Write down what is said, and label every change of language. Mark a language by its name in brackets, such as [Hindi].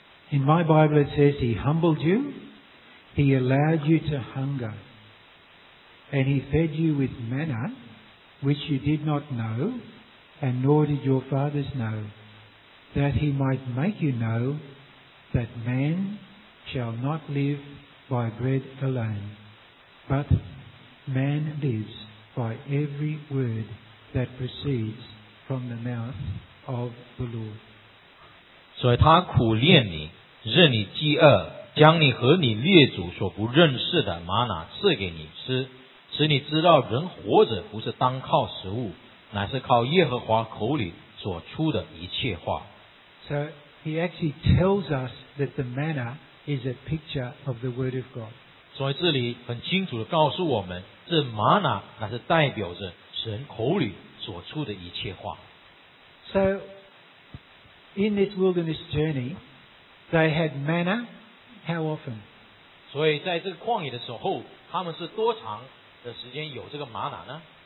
[English] In my Bible it says, He humbled you, He allowed you to hunger, and He fed you with manna, which you did not know, and nor did your fathers know, that He might make you know that man shall not live by bread alone, but man lives by every word that proceeds from the mouth of the Lord. [Chinese] 所以他苦练你，任你饥饿，将你和你列祖所不认识的玛拿赐给你吃，使你知道人活着不是单靠食物，乃是靠耶和华口里所出的一切话。 [English] So he actually tells us that the manna is a picture of the word of God. [Chinese] 所以这里很清楚地告诉我们，这玛拿乃是代表着神口里所出的一切话。 [English] So in this wilderness journey, they had manna how often? [Chinese] 所以在这个旷野的时候，他们是多长的时间有这个玛拿呢？